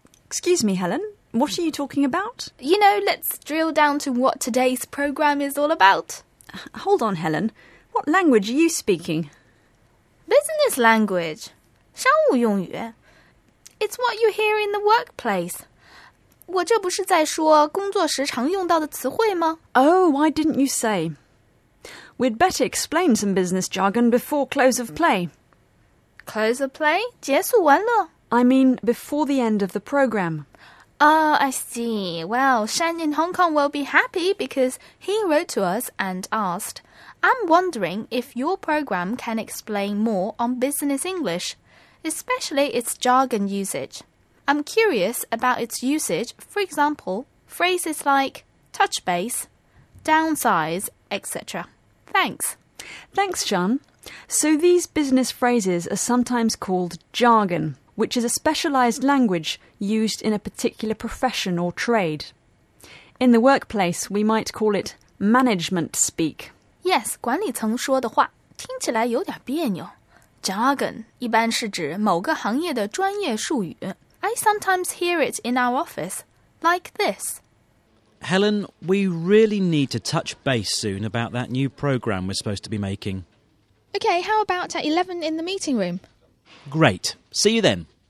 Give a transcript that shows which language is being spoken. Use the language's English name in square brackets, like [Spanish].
[English] Excuse me, Helen, what are you talking about? You know, let's drill down to what today's program is all about. Hold on, Helen. What language are you speaking? Business language, [Chinese] 商务用语 [English] It's what you hear in the workplace. [Chinese] 我这不是在说工作时常用到的词汇吗 [English] Oh, why didn't you say? We'd better explain some business jargon before close of play. Close of play? [Chinese] 结束玩乐 [English] I mean, before the end of the program. Oh, I see. Well, Shen in Hong Kong will be happy because he wrote to us and asked... I'm wondering if your program can explain more on business English, especially its jargon usage. I'm curious about its usage, for example, phrases like touch base, downsize, etc. Thanks. Thanks, Sean. So these business phrases are sometimes called jargon, which is a specialized language used in a particular profession or trade. In the workplace, we might call it management speak. [Chinese] Yes, 管理层说的话听起来有点别扭。 Jargon 一般是指某个行业的专业术语。 [English] I sometimes hear it in our office, like this. Helen, we really need to touch base soon about that new program we're supposed to be making. Okay, how about at 11 in the meeting room? Great, see you then.